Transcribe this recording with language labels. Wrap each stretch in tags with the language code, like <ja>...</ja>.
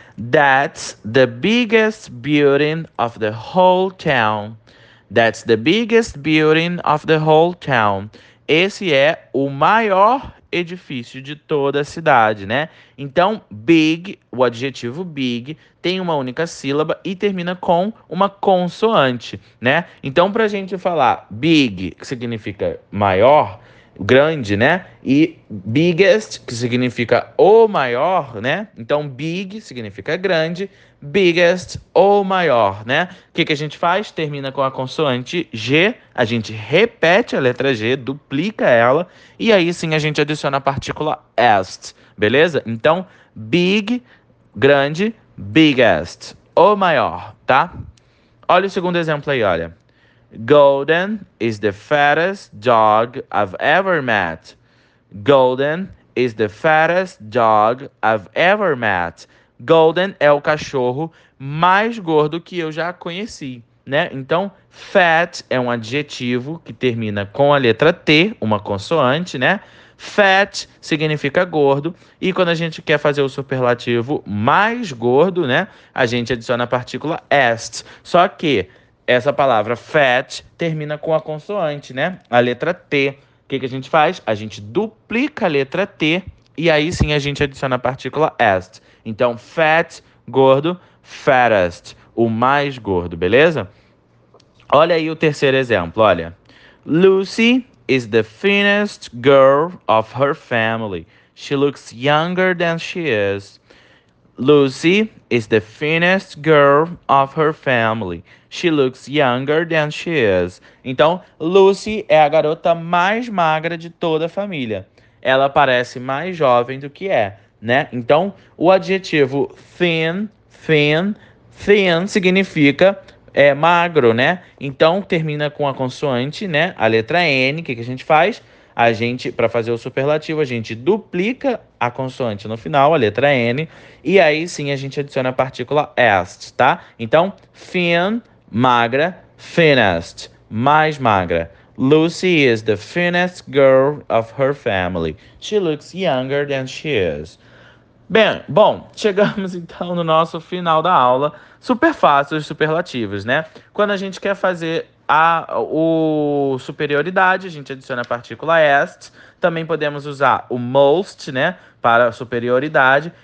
<en>That's the biggest building of the whole town. That's the biggest building of the whole town.</en> <pt>Esse é o maior edifício de toda a cidade, né? Então, big, o adjetivo big, tem uma única sílaba e termina com uma consoante, né? Então, para a gente falar big, que significa maior, grande, né? E biggest, que significa o maior, né? Então, big significa grande, biggest ou maior, né? O que que a gente faz? Termina com a consoante G, a gente repete a letra G, duplica ela, e aí sim a gente adiciona a partícula est, beleza? Então, big, grande, biggest ou maior, tá? Olha o segundo exemplo aí, olha.</pt> <en>Golden is the fattest dog I've ever met. Golden is the fattest dog I've ever met.</en> <pt>Golden é o cachorro mais gordo que eu já conheci, né? Então, fat é um adjetivo que termina com a letra T, uma consoante, né? Fat significa gordo, e quando a gente quer fazer o superlativo mais gordo, né? A gente adiciona a partícula est. Só que essa palavra fat termina com a consoante, né? A letra T. O que que a gente faz? A gente duplica a letra T e aí sim a gente adiciona a partícula est. Então, fat, gordo, fattest, o mais gordo, beleza? Olha aí o terceiro exemplo, olha.</pt> <en>Lucy is the thinnest girl of her family. She looks younger than she is. Lucy is the thinnest girl of her family. She looks younger than she is.</en> <pt>Então, Lucy é a garota mais magra de toda a família. Ela parece mais jovem do que é. Né? Então, o adjetivo thin, thin, thin significa magro, né? Então, termina com a consoante, né? A letra N, que a gente faz? A gente, para fazer o superlativo, a gente duplica a consoante no final, a letra N, e aí sim a gente adiciona a partícula est, tá? Então, thin, magra, thinnest, mais magra.</pt> <en>Lucy is the thinnest girl of her family. She looks younger than she is.</en> <pt>Bem, bom, chegamos então no nosso final da aula. Super fácil os superlativos, né? Quando a gente quer fazer o superioridade, a gente adiciona a partícula est. Também podemos usar o most, né, para superioridade.</pt>